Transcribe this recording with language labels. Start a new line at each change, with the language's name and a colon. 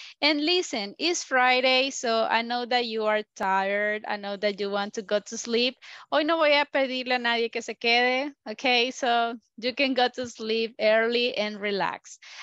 English: And listen, it's Friday, so I know that you are tired. I know that you want to go to sleep.
Spanish: Hoy no voy a pedirle a nadie que se quede.
English: Okay, so you can go to sleep early and relax.